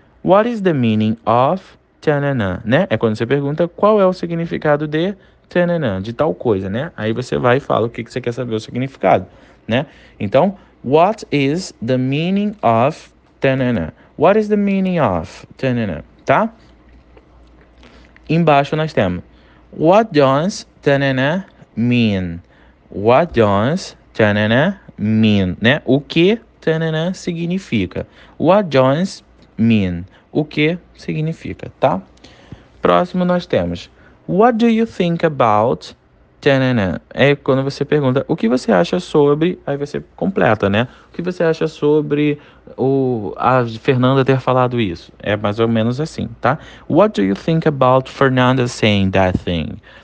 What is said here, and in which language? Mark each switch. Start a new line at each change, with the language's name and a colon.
English: What is the meaning of ta-na-na?
Portuguese: Né? É quando você pergunta qual é o significado de ta-na-na, de tal coisa, né? Aí você vai e fala o que você quer saber o significado, né?
English: Então, what is the meaning of ta-na-na? What is the meaning of ta-na-na?
Portuguese: Tá? Embaixo nós temos,
English: what does ta-na-na mean? What does ta-na-na mean,
Portuguese: né? O que tananã significa?
English: What does mean?
Portuguese: O que significa, tá? Próximo nós temos.
English: What do you think about tananã?
Portuguese: É quando você pergunta o que você acha sobre, aí você completa, né? O que você acha sobre a Fernanda ter falado isso? É mais ou menos assim, tá?
English: What do you think about Fernanda saying that thing?